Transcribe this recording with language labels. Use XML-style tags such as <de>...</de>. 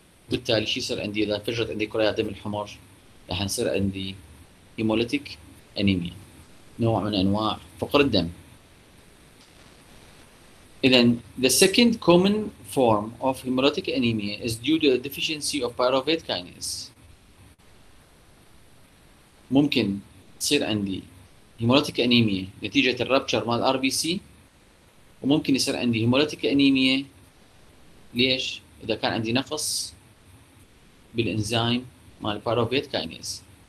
<ar>بالتالي شو صار عندي؟ إذا فجرت عندي كريات دم الحمر راح نصير عندي hemolytic anemia، نوع من أنواع فقر الدم.</ar> <en>Then the second common form of hemolytic anemia is due to a deficiency of pyruvate kinase.</en> <ar>ممكن تصير عندي هيموليتيك انيميا نتيجه الربشر مال ار بي سي، وممكن يصير عندي هيموليتيك انيميا. ليش؟ اذا كان عندي نقص بالانزيم مال بايروفيت كاينيز.</ar>